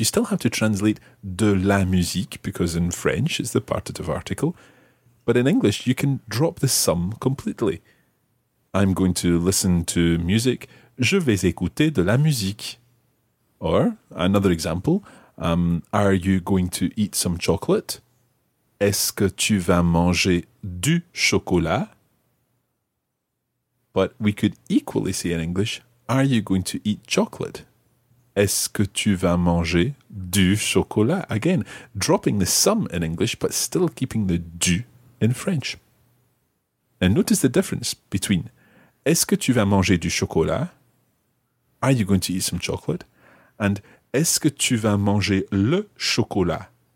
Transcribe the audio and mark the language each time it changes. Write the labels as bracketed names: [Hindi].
[English] You still have to translate de la musique because in French it's the partitive article. But in English you can drop the some completely. I'm going to listen to music. [French] Je vais écouter de la musique. [English] Or, another example, are you going to eat some chocolate? [French] Est-ce que tu vas manger du chocolat? [English] But we could equally say in English, are you going to eat chocolate? [French] Est-ce que tu vas manger du chocolat? [English] Again, dropping the some in English, but still keeping the du in French. And notice the difference between [French] est-ce que tu vas manger du chocolat? [English] Are you going to eat some chocolate? And [French] est-ce que tu vas manger le chocolat?